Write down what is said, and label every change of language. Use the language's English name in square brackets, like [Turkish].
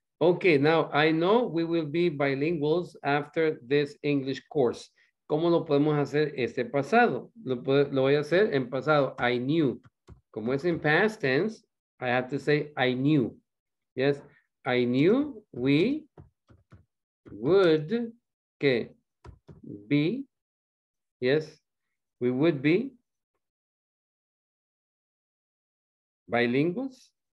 [English] Okay, now I know we will be bilinguals after this English course. [Spanish] ¿Cómo lo podemos hacer este pasado? Lo voy a hacer en pasado, [English] I knew. [Spanish] Como es en [English] past tense, I have to say I knew. Yes, I knew we would que be, yes, we would be bilinguals.